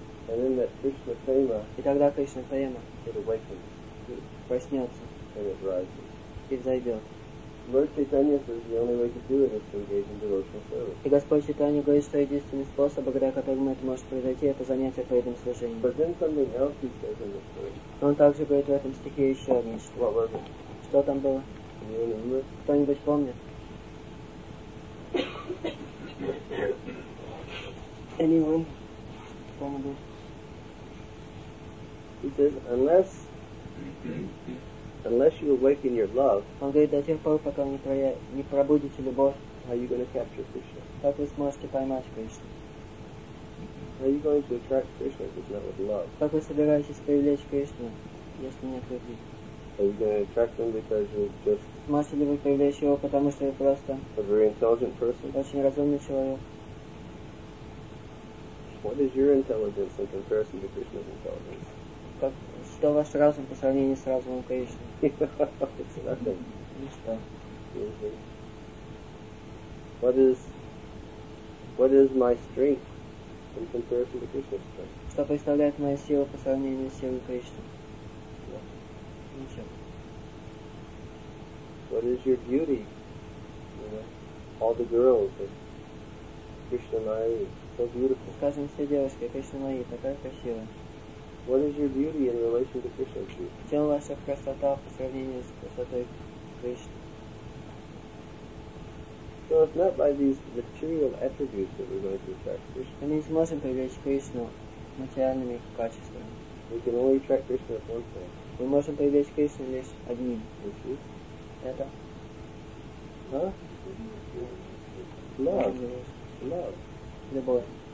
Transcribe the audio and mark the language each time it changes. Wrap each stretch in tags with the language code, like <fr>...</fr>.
<en>And then that Krishna Prema,</en> <ru>и тогда Кришна Према,</ru> <en>it awakens,</en> <ru>проснется,</ru> <en>and it rises,</en> <ru>и взойдет.</ru> <en>Lord Chaitanya says the only way to do it is to engage in devotional service.</en> <ru>И Господь Чайтанья говорит, что единственный способ, благодаря которому это может произойти, это занятие преданным служением.</ru> <en>But then something else he says in the story.</en> <ru>Но он также говорит в этом стихе еще одно нечто.</ru> <en>What was it?</en> <ru>Что там было?</ru> <en>Can you remember?</en> <ru>Кто-нибудь помнит?</ru> <en>Anyone?</en> <ru>Помоги.</ru> <en>He says, unless Unless you awaken your love,</en> <ru>он говорит, до тех пор, пока не, про... не пробудите любовь,</ru> <en>how you going to capture Krishna?</en> <ru>Как вы сможете поймать Кришну?</ru> <en>How you going to attract Krishna if it's not with love?</en> <ru>Как вы собираетесь привлечь Кришну, если нет любви?</ru> <en>Are you going to attract him because you're just?</en> <ru>Сможете ли вы привлечь его, потому что вы просто?</ru> <en>A very intelligent person.</en> <ru>Очень разумный человек.</ru> <en>What is your intelligence in comparison to Krishna's intelligence?</en> <ru>Как, что ваш разум по сравнению с разумом Кришны?</ru> <en>It's nothing.</en> <ru>Ничто.</ru> <en>What is my strength in comparison to Krishna's strength?</en> <ru>Что представляет моя сила по сравнению с силой Кришны?</ru> <en>What is your beauty? All the girls, Krishna Mai, so beautiful.</en> <ru>Скажем, все девушки, Кришна Майи, такая красивая.</ru> <en>What is your beauty in relation to Krishna's beauty?</en> <ru>В чем ваша красота по сравнению с красотой Кришны?</ru> <en>So it's not by these material attributes that we're going to attract Krishna.</en> <ru>Мы не сможем привлечь Кришну материальными качествами.</ru> <en>We can only attract Krishna at one point.</en> <ru>Мы можем привлечь Кришну лишь одним. Это?</ru> <en>А? Love. Love.</en> <ru>Любовь.</ru>